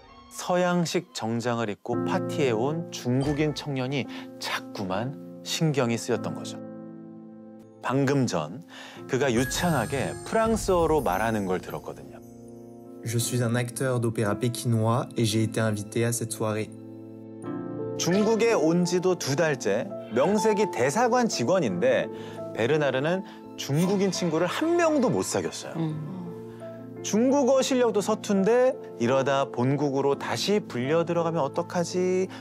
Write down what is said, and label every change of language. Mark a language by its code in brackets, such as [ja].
[ko] 서양식 정장을 입고 파티에 온 중국인 청년이 자꾸만 신경이 쓰였던 거죠. 방금 전 그가 유창하게 프랑스어로 말하는 걸 들었거든요. [fr] Je suis un acteur d'opéra pékinois et j'ai été invité à cette soirée. [ko] 중국에 온 지도 두 달째 명색이 대사관 직원인데 베르나르는 중국인 친구를 한 명도 못 사귀었어요. 중국어 실력도 서툰데 이러다 본국으로 다시 불려 들어가면 어떡하지?